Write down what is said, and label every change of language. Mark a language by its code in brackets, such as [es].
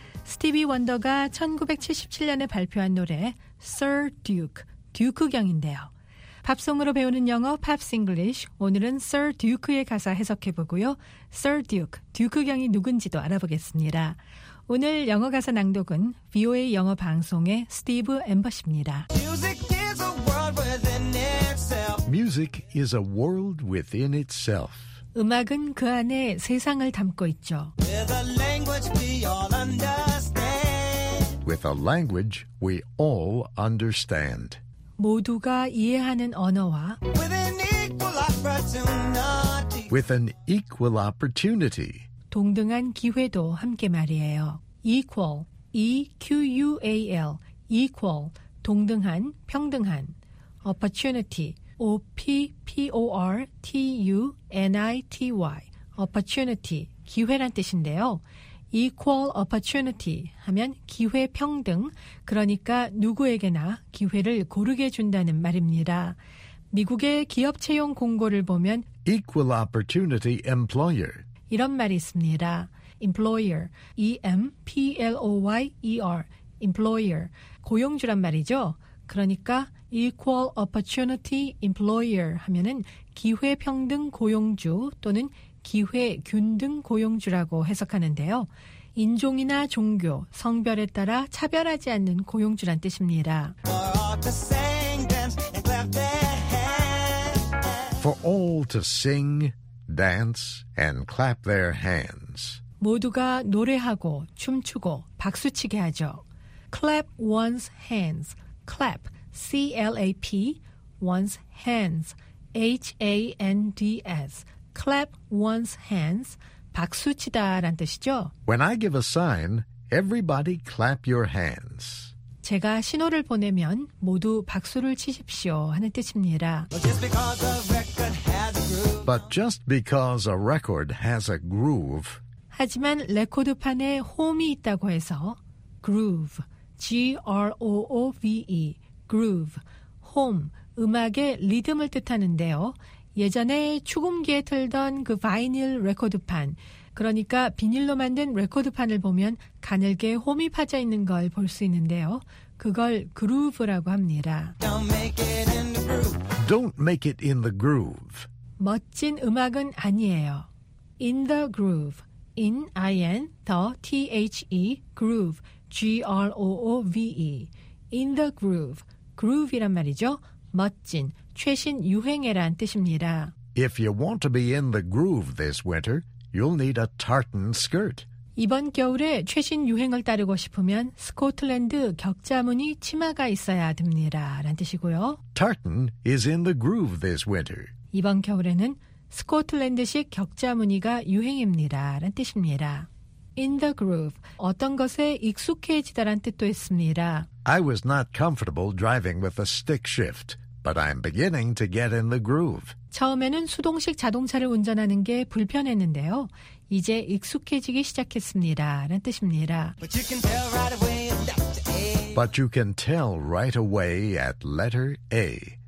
[ko] 스티비 원더가 1977년에 발표한 노래 Sir Duke, 듀크경인데요. 팝송으로 배우는 영어 Pops English, 오늘은 Sir Duke의 가사 해석해보고요. Sir Duke, 듀크경이 누군지도 알아보겠습니다. 오늘 영어 가사 낭독은 VOA 영어 방송의 스티브 앰버십니다. [en] Music is a world within itself. [ko] 음악은 그 안에 세상을 담고 있죠. [en] With a language we all understand. With a language we all understand. [ko] 모두가 이해하는 언어와 [en] With an equal opportunity. With an equal opportunity. [ko] 동등한 기회도 함께 말이에요. [en] Equal, E-Q-U-A-L, equal, [ko] 동등한, 평등한, [en] opportunity. O-P-P-O-R-T-U-N-I-T-Y Opportunity, [ko] 기회란 뜻인데요. Equal opportunity 하면 기회 평등, 그러니까 누구에게나 기회를 고르게 준다는 말입니다. 미국의 기업 채용 공고를 보면 [en] Equal opportunity employer [ko] 이런 말이 있습니다. [en] Employer, E-M-P-L-O-Y-E-R Employer, [ko] 고용주란 말이죠. 그러니까 Equal Opportunity Employer 하면은 기회평등 고용주 또는 기회균등 고용주라고 해석하는데요. 인종이나 종교, 성별에 따라 차별하지 않는 고용주란 뜻입니다. [en] For all to sing, dance, and clap their hands. [ko] 모두가 노래하고 춤추고 박수치게 하죠. [en] Clap one's hands. Clap. C-L-A-P, one's hands, H-A-N-D-S, clap one's hands, [ko] 박수치다 란 뜻이죠. [en] When I give a sign, everybody clap your hands. [ko] 제가 신호를 보내면 모두 박수를 치십시오 하는 뜻입니다. [en] But just because a record has a groove. [ko] 하지만 레코드판에 홈이 있다고 해서 [en] groove, G-R-O-O-V-E. [ko] Groove, home, 음악의 리듬을 뜻하는데요. 예전에 축음기에 틀던 그 바이닐 레코드판, 그러니까 비닐로 만든 레코드판을 보면 가늘게 홈이 파져 있는 걸 볼 수 있는데요. 그걸 groove라고 합니다. [en] Don't make it in the groove. Don't make it in the groove. [ko] 멋진 음악은 아니에요. [en] In the groove, in, I-N, the, T-H-E, groove, G-R-O-O-V-E. In the groove, groove [ko] 이란 말이죠. 멋진, 최신 유행에란 뜻입니다. [en] If you want to be in the groove this winter, you'll need a tartan skirt. [ko] 이번 겨울에 최신 유행을 따르고 싶으면 스코틀랜드 격자무늬 치마가 있어야 됩니다. 라는 뜻이고요. [en] Tartan is in the groove this winter. [ko] 이번 겨울에는 스코틀랜드식 격자무늬가 유행입니다. 라는 뜻입니다. [en] In the groove, [ko] 어떤 것에 익숙해지다란 뜻도 있습니다. [en] I was not comfortable driving with a stick shift, but I'm beginning to get in the groove. [ko] 처음에는 수동식 자동차를 운전하는 게 불편했는데요. 이제 익숙해지기 시작했습니다. 라는 뜻입니다. [en] But you can tell right away at letter A.